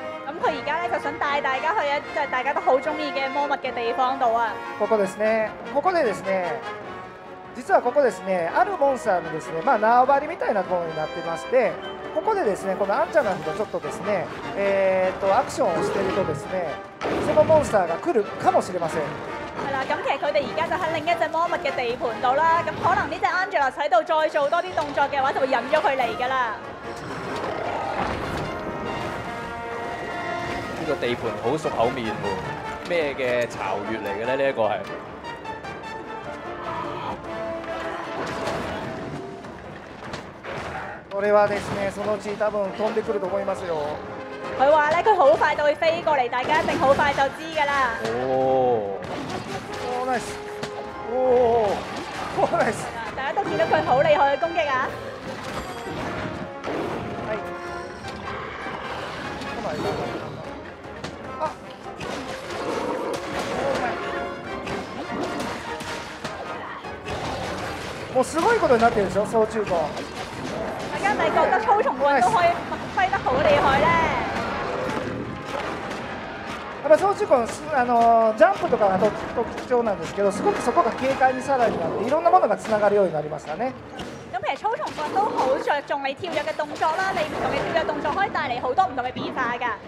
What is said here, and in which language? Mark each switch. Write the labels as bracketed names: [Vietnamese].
[Cantonese] 咁佢而家咧就想帶大家去一隻大家都好中意嘅魔物嘅地方度啊！ [Japanese] ここですね。ここでですね、実はここですね、あるモンスターのですね、まあ縄張りみたいなところになってまして、ここでですね、このアンチャナフとちょっとですね、アクションをしているとですね、そのモンスターが来るかもしれません。 [Cantonese] 系啦，咁其實佢哋而家就喺另一隻魔物嘅地盤度啦。咁可能呢只 Angela 喺度再做多啲動作嘅話，就會引咗佢嚟噶啦。呢個地盤好熟口面喎，咩嘅巢穴嚟嘅咧？呢一個係。 [Japanese] これはですね、そのうち多分飛んでくると思いますよ。 [Cantonese] 佢話咧，佢好快就會飛過嚟，大家一定好快就知噶啦。 [English] Oh, nice. Oh, nice. [Cantonese] 大家都見到佢好厲害嘅攻擊啊！係。 [English] Come on. Ah. [Japanese] もうすごいことになってるでしょ、操縦棍。 [Cantonese] 大家咪覺得操縦棍都可以發揮得好厲害咧？ [Japanese] やっぱ操縦棍、ジャンプとかが特徴なんですけど、すごくそこが軽快にさらになって、いろんなものがつながるようになりましたね。 [Cantonese] 咁其實操縦棍都好着重你跳躍嘅動作啦，你唔同嘅跳躍動作可以帶嚟好多唔同嘅變化噶。